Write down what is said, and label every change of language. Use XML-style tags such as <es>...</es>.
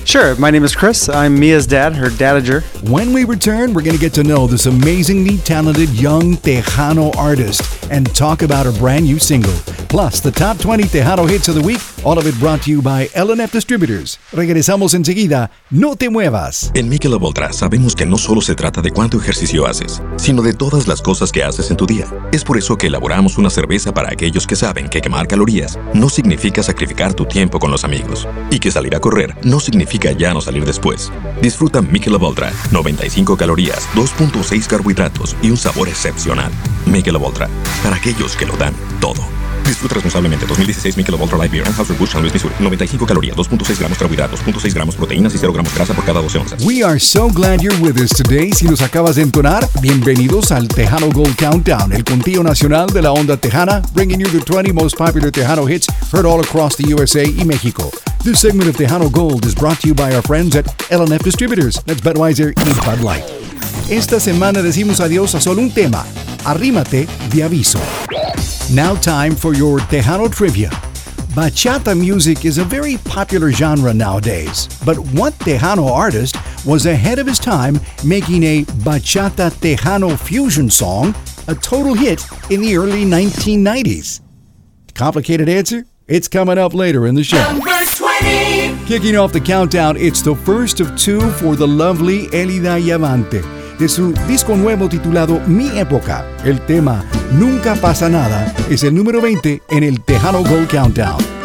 <en>Sure. My name is Chris. I'm Mia's dad, her dadager. When we return, we're going to get to know this amazingly talented young Tejano artist and talk about her brand new single. Plus, the top 20 Tejano hits of the week, all of it brought to you by L&F Distributors.</en> <es>Regresamos enseguida. No te muevas. En Michelob Ultra sabemos que no solo se trata de cuánto ejercicio haces, sino de todas las cosas que haces en tu día. Es por eso que elaboramos una cerveza para aquellos que saben que quemar calorías no significa sacrificar tu tiempo con los amigos, y que salir a correr no significa ya no salir después. Disfruta Michelob Ultra. 95 calorías, 2.6 carbohidratos y un sabor excepcional. Michelob Ultra, para aquellos que lo dan todo. Disfruta responsablemente. 2016 Michelob Ultra Light Beer, Anheuser-Busch, San Luis, Missouri. 95 calorías, 2.6 gramos carbohidratos, 0.6 gramos proteínas y 0 gramos grasa por cada 12 onzas.</es> <en>We are so glad you're with us today.</en> <es>Si nos acabas de entonar, bienvenidos al Tejano Gold Countdown, el contigo nacional de la onda tejana,</es> <en>bringing you the 20 most popular Tejano hits heard all across the USA</en> <es>y México.</es> <en>This segment of Tejano Gold is brought to you by our friends at L&F Distributors. That's Budweiser</en> <es>y Bud Light. Esta semana decimos adiós a solo un tema. Arrímate de aviso.</es> <en>Now time for your Tejano trivia. Bachata music is a very popular genre nowadays, but what Tejano artist was ahead of his time making a bachata Tejano fusion song a total hit in the early 1990s? Complicated answer? It's coming up later in the show. Number 20! Kicking off the countdown, it's the first of two for the lovely Elida Yavante.</en> <es>De su disco nuevo titulado Mi Época, el tema Nunca Pasa Nada es el número 20 en el Tejano Gold Countdown.</es>